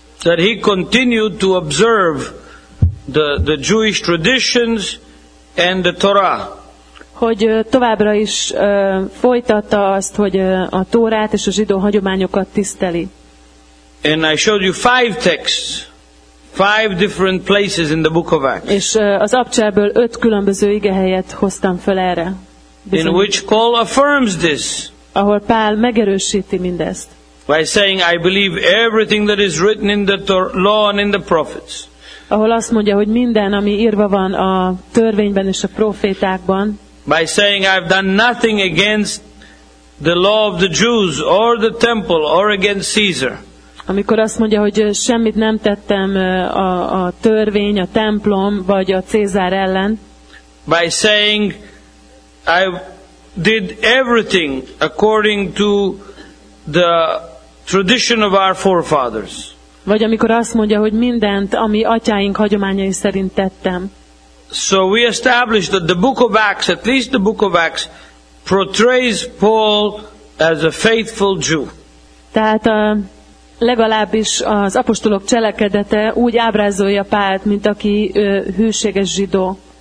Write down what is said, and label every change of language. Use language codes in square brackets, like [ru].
[en] That he continued to observe the Jewish traditions and the Torah. [hu] Hogy továbbra is folytatta azt, hogy a Tórát és a zsidó hagyományokat tiszteli. [en] And I showed you five texts, five different places in the Book of Acts. [hu] És az Abcselből öt különböző igehelyet hoztam fel erre. [en] In which Paul affirms this. [hu] Ahol Pál megerősíti mindezt. [en] By saying, I believe everything that is written in the law and in the prophets. [hu] Ahol azt mondja, hogy minden, ami írva van a törvényben és a prófétákban. [en] By saying, I've done nothing against the law of the Jews or the temple or against Caesar. [hu] Amikor azt mondja, hogy semmit nem tettem a törvény, a templom vagy a Cézár ellen. [en] By saying I did everything according to the tradition of our forefathers. [hu] Vagy amikor azt mondja, hogy mindent, ami atyáink hagyományai szerint tettem. [en] So we established that the Book of Acts, at least the Book of Acts, portrays Paul as a faithful Jew. [hu] Tehát legalábbis az apostolok cselekedete úgy ábrázolja Pált, mint aki hűséges zsidó.